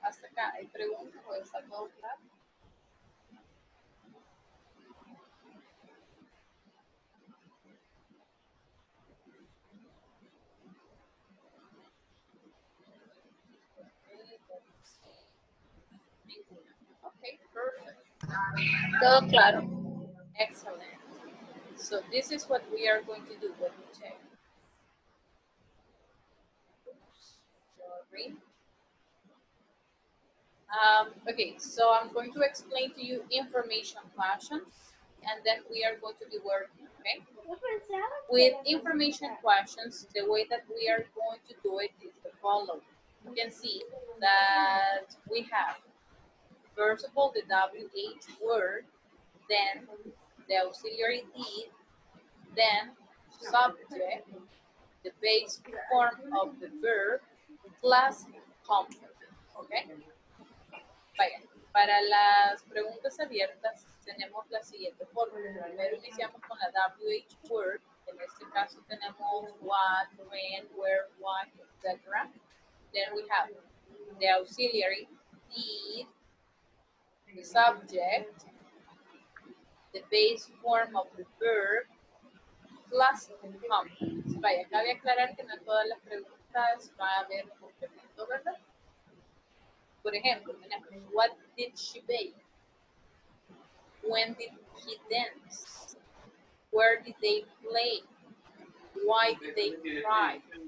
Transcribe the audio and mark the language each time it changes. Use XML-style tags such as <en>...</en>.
<es>Hasta acá hay preguntas o está todo claro. Todo claro. Excellent.</es> <en>So this is what we are going to do when we check. Sorry. Okay, so I'm going to explain to you information questions and then we are going to be working, okay? With information questions, the way that we are going to do it is the following. You can see that we have, first of all, the WH word, then the auxiliary did, then subject, the base form of the verb, plus complement. Okay?</en> <es>Vaya, para las preguntas abiertas, tenemos la siguiente forma. Primero iniciamos con la WH word. En este caso tenemos what, when, where, why, etc.</es> <en>Then we have the auxiliary did, the subject, the base form of the verb, plus the complement.</en> <es>Vaya, cabe aclarar que no todas las preguntas va a haber complemento, ¿verdad? Por ejemplo, tenemos,</es> <en>what did she bake? When did he dance? Where did they play? Why did they cry?</en>